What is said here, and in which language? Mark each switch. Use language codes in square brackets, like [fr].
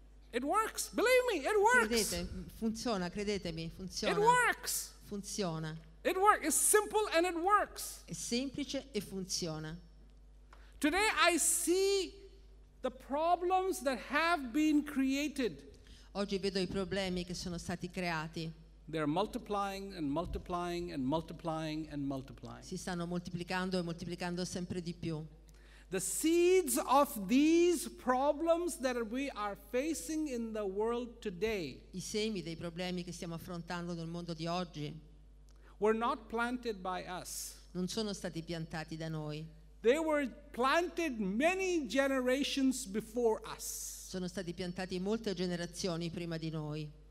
[en] It works, believe me, it works. [it] Credete, funziona, credetemi, funziona. [en] It works. [it] Funziona. [en] It works. It's simple and it works. [it] È semplice e funziona. [en] Today I see the problems that have been created. [it] Oggi vedo i problemi che sono stati creati. [en] They're multiplying and multiplying and multiplying and multiplying. [it] Si stanno moltiplicando e moltiplicando sempre di più. [en] The seeds of these problems that we are facing in the world today, [it] i semi dei problemi che stiamo affrontando nel mondo di oggi, [en] were not planted by us. [it] Non sono stati piantati da noi. [en] They were planted many generations before us. [it] Sono stati piantati molte generazioni prima di noi.